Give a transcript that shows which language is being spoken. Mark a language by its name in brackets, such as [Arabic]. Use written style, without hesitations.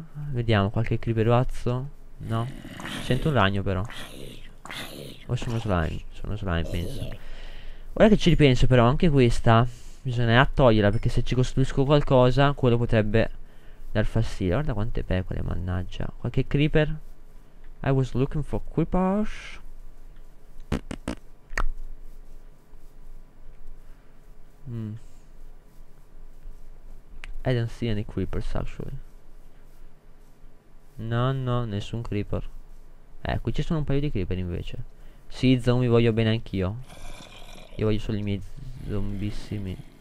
[Italian] Vediamo qualche creeperazzo. No. Sento un ragno però. O sono slime. Sono slime, penso. Ora che ci ripenso però, anche questa bisognerà toglierla, perché se ci costruisco qualcosa, quello potrebbe dar fastidio. Guarda quante pecore, mannaggia. Qualche creeper? [English] I was looking for creepers. I don't see any creepers, actually. [Italian] No, no, nessun creeper. Qui ci sono un paio di creeper invece. Sì, zombie, voglio bene anch'io. Io voglio solo i miei zombissimi.